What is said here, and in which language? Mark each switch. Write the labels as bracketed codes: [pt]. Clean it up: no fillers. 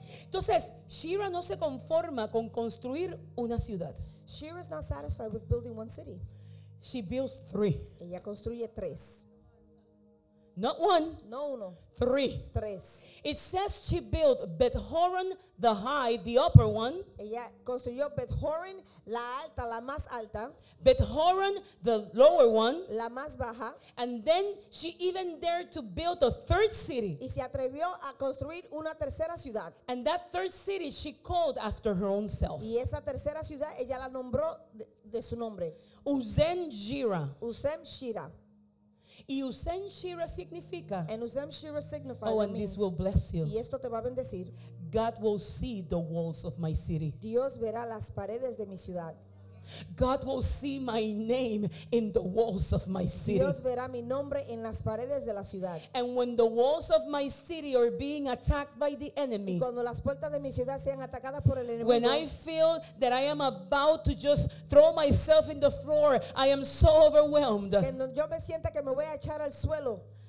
[es] Entonces, Shira no se conforma con construir una ciudad. [en] Shira is not satisfied with building one city. She builds three. [es] Ella construye tres. [en] Not one. [es] No uno. [en] Three. [es] Tres. [en] It says she built Bethhoron the high, the upper one. [es] Ella construyó Bethhoron la alta, la más alta. [en] Bethhoron the lower one. [es] La más baja. [en] And then she even dared to build a third city. [es] Y se atrevió a construir una tercera ciudad. [en] And that third city she called after her own self. [es] Y esa tercera ciudad ella la nombró de su nombre. [en] Uzen Shira. [es] Uzen Shira. Y Uzen Shira significa. [en] And Uzen Shira signifies. Oh, and means, this will bless you. [es] Y esto te va a bendecir. [en] God will see the walls of my city. [es] Dios verá las paredes de mi ciudad. [en] God will see my name in the walls of my city. [es] Dios verá mi nombre en las paredes de la ciudad. [en] And when the walls of my city are being attacked by the enemy, [es] y cuando las puertas de mi ciudad sean atacadas por el enemigo, [en] when I feel that I am about to just throw myself in the floor, I am so overwhelmed. [es] Yo me siento que me voy a echar al suelo.